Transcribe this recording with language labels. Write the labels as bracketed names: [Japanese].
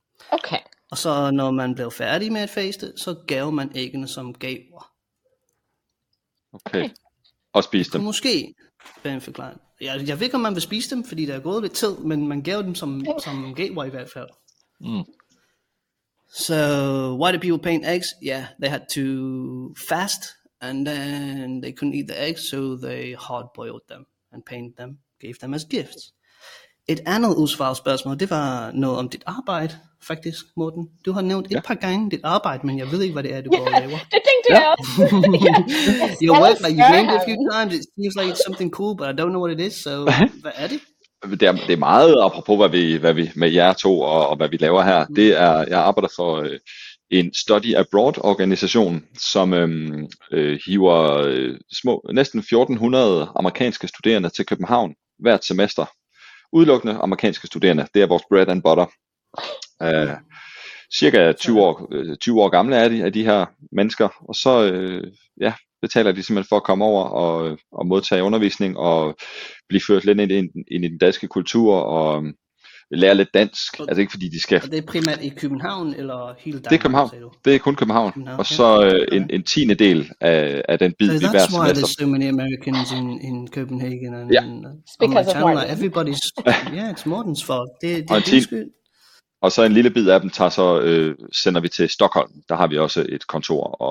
[English] Okay. [Danish] Og så når man blev færdig med at faste, så gav man æggene som gaver. Okay. Og spiste dem. Måske være en forklaring. Jeg ved ikke, om man vil spise dem, fordi der er gået lidt tid, men man gav dem som gaver i hvert fald. [English] So, why do people paint eggs? Yeah, they had to fast, and then they couldn't eat the eggs, so they hard-boiled them and painted them, gave them as gifts. [Danish] Et andet usvaret spørgsmål, det var noget om dit arbejde, faktisk, Morten. Du har nævnt et par gange dit arbejde, men jeg ved ikke, hvad det er, du går og laver. Det tænkte jeg også. [English] You work, but you've named it a few times. It seems like it's something cool, but I don't know what it is, so [Danish] hvad er det? Det er meget apropos, hvad vi med jer to og hvad vi laver her. Det er, jeg arbejder for en study abroad organisation, som hiver næsten 1400 amerikanske studerende til København hvert semester. Udelukkende amerikanske studerende. Det er vores [English] bread and butter. [Danish] Cirka 20 år gamle er de af de her mennesker. Og så betaler de simpelthen for at komme over og modtage undervisning og blive ført lidt ind i den danske kultur og lære lidt dansk. Og, altså ikke fordi de skal. Og det er primært i København eller hele Danmark? Det er København. Det er kun København. Og så en tiende del af den bid, so vi hver semester. [English] That's why there's so many Americans in Copenhagen. And, because of Morten. Everybody's, it's Morten's fault. [Danish] Det er skyld. Og så en lille bid af dem sender vi til Stockholm. Der har vi også et kontor.